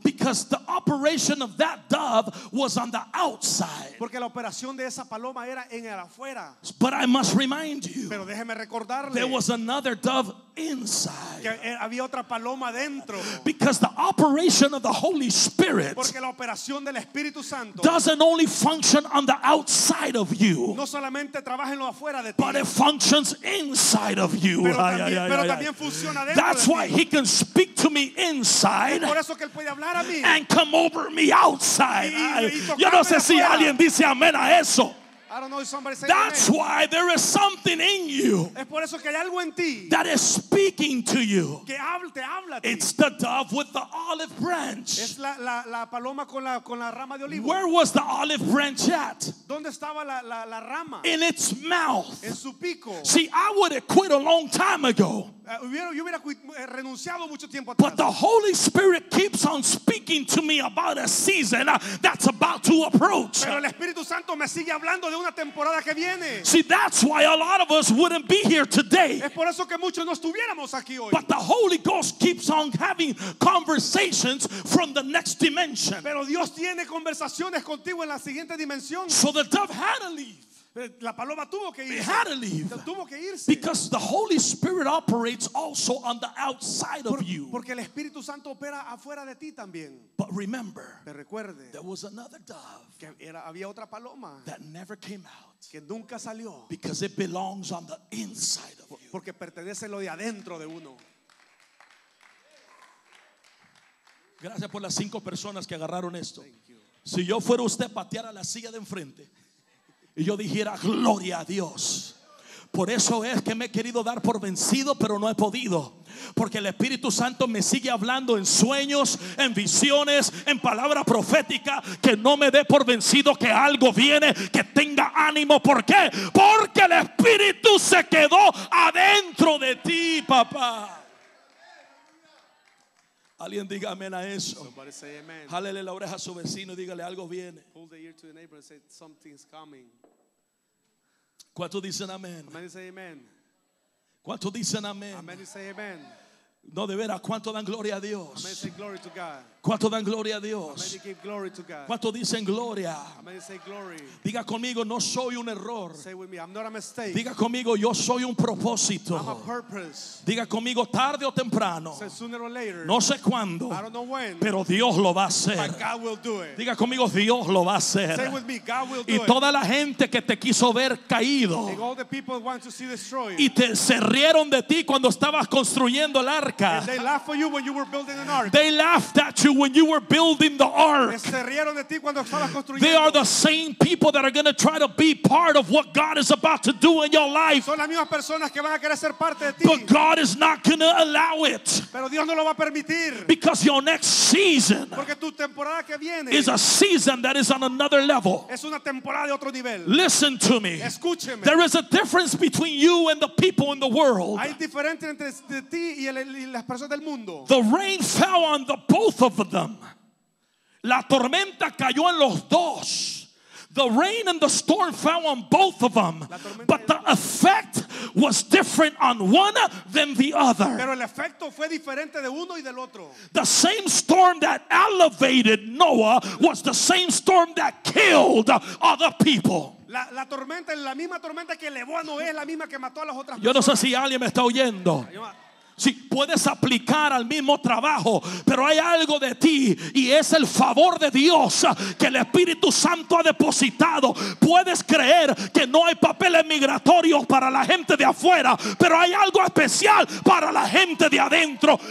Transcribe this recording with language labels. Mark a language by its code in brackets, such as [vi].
[en] Because the operation of that dove was on the outside. [es] Porque la operación de esa paloma era en el afuera. [en] But I must remind you. [es] Pero déjeme recordarle. [en] There was another dove inside. [es] Que había otra paloma dentro. [en] Because the operation of the Holy Spirit. [es] Porque la operación del Espíritu Santo. [en] Doesn't only function on the outside of you. [es] No solamente trabaja en lo afuera de ti. [en] But it functions inside. Of you. That's why he can speak to me inside and come over me outside. [es] Yo no sé si alguien dice amén a eso. [en] That's why there is something in you that is speaking to you. It's the dove with the olive branch. Where was the olive branch at? In its mouth. See, I would have quit a long time ago. But the Holy Spirit keeps on speaking to me about a season that's about to approach. See, that's why a lot of us wouldn't be here today. But the Holy Ghost keeps on having conversations from the next dimension. So the dove had a leaf. [es] La paloma tuvo que irse. [en] It had to leave. [es] Tuvo que irse. [en] Because the Holy Spirit operates also on the outside of you. [es] Porque el Espíritu Santo opera afuera de ti también. [en] But remember, [es] te recuerde, [en] there was another dove [es] que era, había otra paloma [en] that never came out. [es] Que nunca salió. [en] Because it belongs on the inside of you. [es] Porque pertenece lo de adentro de uno. Gracias por las cinco personas que agarraron esto. Si yo fuera usted, pateara la silla de enfrente. Y yo dijera gloria a Dios. Por eso es que me he querido dar por vencido, pero no he podido. Porque el Espíritu Santo me sigue hablando en sueños, en visiones, en palabra profética. Que no me dé por vencido, que algo viene, que tenga ánimo. ¿Por qué? Porque el Espíritu se quedó adentro de ti, papá. Alguien diga amén a eso. Jálele la oreja a su vecino y dígale algo viene. [en] Pull the ear to the neighbor and say something's coming. [es] ¿Cuántos dicen amén? [en] Amen, say amen. [es] ¿Cuántos dicen amén? [en] Amen, say amen. [es] No, de veras, ¿cuántos dan gloria a Dios? [en] Amen, say glory to God. [es] ¿Cuántos dan gloria a Dios? [en] Amen, give glory to God. [es] ¿Cuántos dicen gloria? [en] Amen, say glory. [es] Diga conmigo, no soy un error. [en] Say with me, I'm not a mistake. [es] Diga conmigo, yo soy un propósito. [en] I'm a purpose. [es] Diga conmigo, tarde o temprano. [en] Say sooner or later. [es] No sé cuándo. [en] I don't know when. [es] Pero Dios lo va a hacer. [en] But God will do it. [es] Diga conmigo, Dios lo va a hacer. [en] Say with me, God will do it. [es] Y toda la gente que te quiso ver caído. [en] And all the people want to see destroyed. [es] Y te se rieron de ti cuando estabas construyendo el arca. [en] And they laughed for you when you were building an ark. They laughed at you when you were building the ark. They are the same people that are going to try to be part of what God is about to do in your life. But God is not going to allow it. Because your next season is a season that is on another level. Listen to me. There is a difference between you and the people in the world. The rain fell on the both of them. [es] La tormenta cayó en los dos. [en] The rain and the storm fell on both of them. But the effect was different on one than the other. [es] Pero el efecto fue diferente de uno y del otro. [en] The same storm that elevated Noah was the same storm that killed other people. [es] La tormenta, la misma tormenta que elevó a Noé, la misma que mató a las otras. Yo no sé si alguien me está oyendo. Sí, puedes aplicar al mismo trabajo, pero hay algo de ti y es el favor de Dios que el Espíritu Santo ha depositado. Puedes creer que no hay papeles migratorios para la gente de afuera, pero hay algo especial para la gente de adentro.